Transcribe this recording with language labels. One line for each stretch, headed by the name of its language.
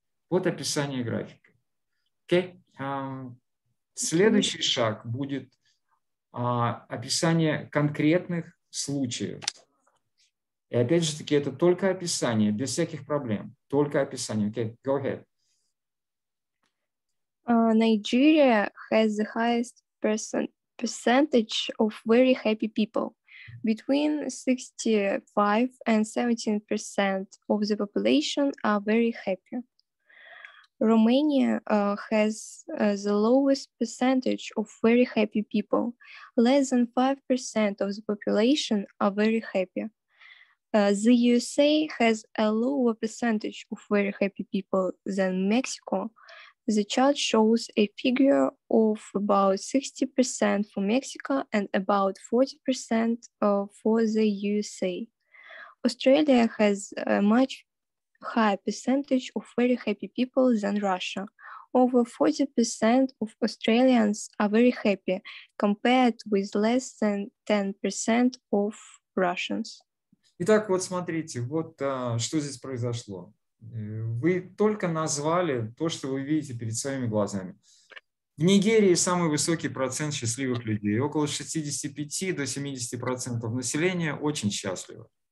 Russian: Вот описание графика. Okay. Следующий шаг будет описание конкретных случаев. И опять же таки, это только описание, без всяких проблем. Только описание. Okay.
English: Go ahead. Nigeria has the highest percentage of very happy people. Between 65 and 17% of the population are very happy. Romania has the lowest percentage of very happy people. Less than 5% of the population are very happy. The USA has a lower percentage of very happy people than Mexico. The chart shows a figure of about 60% for Mexico and about 40% for the USA. Australia has a much higher percentage of very happy people than Russia. Over 40% of Australians are very happy compared with less than 10% of Russians.
Russian: Итак, вот смотрите, вот что здесь произошло. Вы только назвали то, что вы видите перед своими глазами. В Нигерии самый высокий процент счастливых людей. Около 65 до 70% населения очень счастливо.